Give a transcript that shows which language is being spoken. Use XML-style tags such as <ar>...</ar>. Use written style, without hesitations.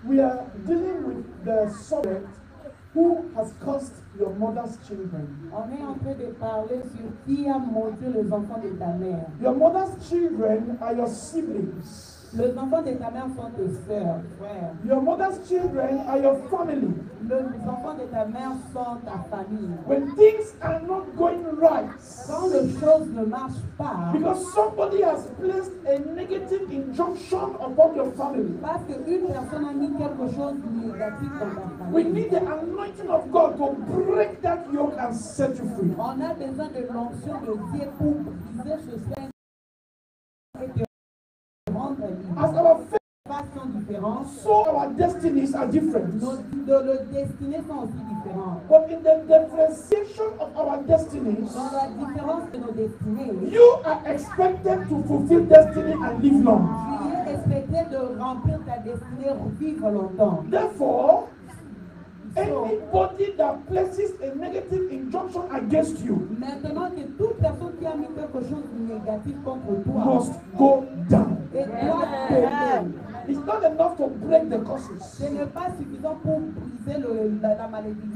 <en>We are dealing with the subject who has cursed your mother's children.</en> <fr>On est en train de parler sur qui a maudit les enfants de ta mère.</fr> <en>Your mother's children are your siblings.</en> <fr>Les enfants de ta mère sont tes sœurs, frères.</fr> <en>Your mother's children are your family.</en> <fr>Les enfants de ta mère sont ta famille.</fr> <en>When things are not going right,</en> <fr>quand les choses ne marchent pas,</fr> <en>because somebody has placed a negative injunction upon your family,</en> <fr>parce que une personne a mis quelque chose de négatif dans ta famille,</fr> <en>we need the anointing of God to break that yoke and set you free.</en> <fr>On a besoin de l'onction de Dieu pour briser ce sein.</fr> <en>As our</en> <fr>faiths sont différents,</fr> <en>so our destinies are different.</en> <fr>Nos destinées sont aussi différentes.</fr> <en>But in the differentiation of our destinies,</en> <fr>dans la différence de nos destinées,</fr> <en>you are expected to fulfill destiny and live long.</en> <fr>Tu es expecté de remplir ta destinée pour vivre longtemps.</fr> <en>Therefore, anybody that places a negative injunction against you,</en> <fr>maintenant que toute personne qui a mis quelque chose de négatif contre toi,</fr> <en>must go down. Yeah. It's not enough to break the curses.</en> <fr>Ce n'est pas suffisant pour briser la malédiction.</fr>